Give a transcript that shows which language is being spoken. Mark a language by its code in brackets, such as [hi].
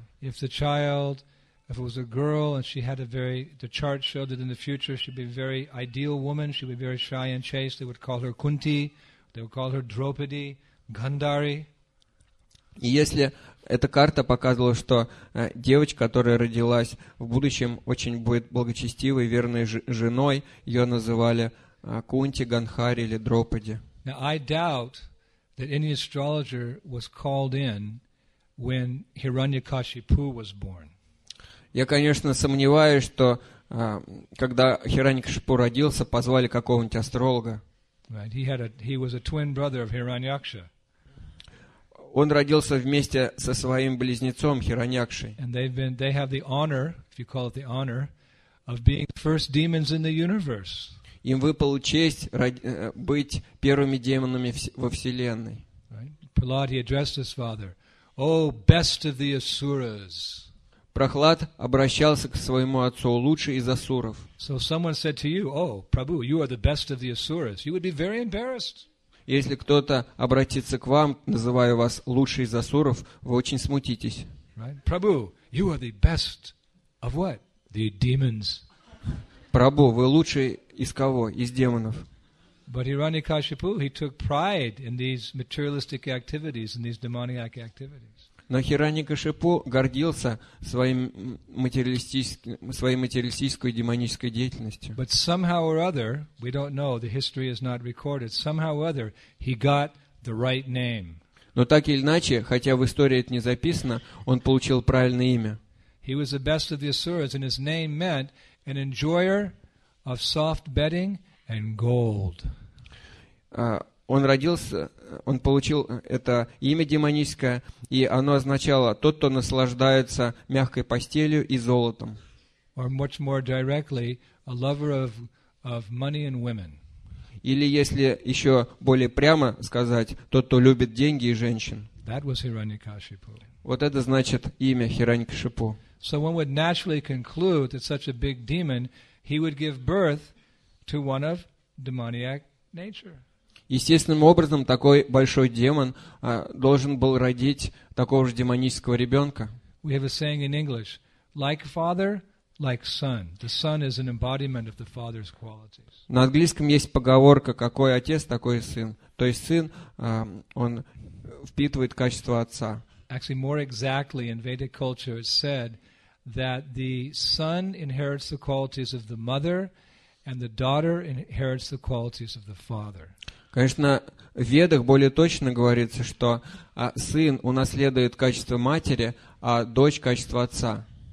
[en] If the child, if it was a girl and she had a very, the chart showed that in the future she'd be a very ideal woman, she'd be very shy and chaste, they would call her Kunti, they would call her Draupadi, Gandhari. [ru] И если эта карта показывала, что девочка, которая родилась в будущем, очень будет благочестивой, верной женой, ее называли Кунти, Гандхари или Драупади. [en] Now I doubt that any astrologer was called in when Hiranyakashipu was born. [ru] Я, конечно, сомневаюсь, что когда Хираньякашипу родился, позвали какого-нибудь астролога. [en] Right. He was a twin brother of Hiranyaksha. [ru] Он родился вместе со своим близнецом Хираньякшей. [en] And they have the honor, if you call it the honor, of being first demons in the universe. [ru] Им выпала честь быть первыми демонами во Вселенной. [en] Right. Prahlad, he addressed his father. Oh, best of the Asuras. [ru] Прохлад обращался к своему отцу, лучший из асуров. [en] So someone said to you, oh, Prabhu, you are the best of the Asuras. You would be very embarrassed. [ru] Если кто-то обратится к вам, называя вас лучший из асуров, вы очень смутитесь. [en] Right? Prabhu, you are the best of what? The demons. [ru] Прабу, вы лучший из кого? Из демонов. [en] But Hiranyakashipu, he took pride in these materialistic activities, in these demoniac activities. [ru] Но Хираньякашипу гордился своей материалистической и демонической деятельностью. [en] But somehow or other, we don't know, the history is not recorded, somehow or other, he got the right name. [ru] Но так или иначе, хотя в истории это не записано, он получил правильное имя. [en] He was the best of the Asuras, and his name meant an enjoyer of soft bedding and gold. [ru] Он получил это имя демоническое, и оно означало «тот, кто наслаждается мягкой постелью и золотом». [en] Or much more directly, a lover of money and women. [ru] Или, если еще более прямо сказать, тот, кто любит деньги и женщин. [en] That was Hiranyakashipu. [ru] Вот это значит имя Хираньякашипу. [en] So one would naturally conclude that such a big demon, he would give birth to one of demoniac nature. [ru] Естественным образом, такой большой демон должен был родить такого же демонического ребенка. [en] We have a saying in English, like father, like son. The son is an embodiment of the father's qualities. [ru] На английском есть поговорка, какой отец, такой сын. То есть сын, он впитывает качество отца. [en] Actually, more exactly, in Vedic culture, it's said that the son inherits the qualities of the mother, and the daughter inherits the qualities of the father. [ru] Конечно, в Ведах более точно говорится, что сын унаследует качество матери, а дочь – качество отца.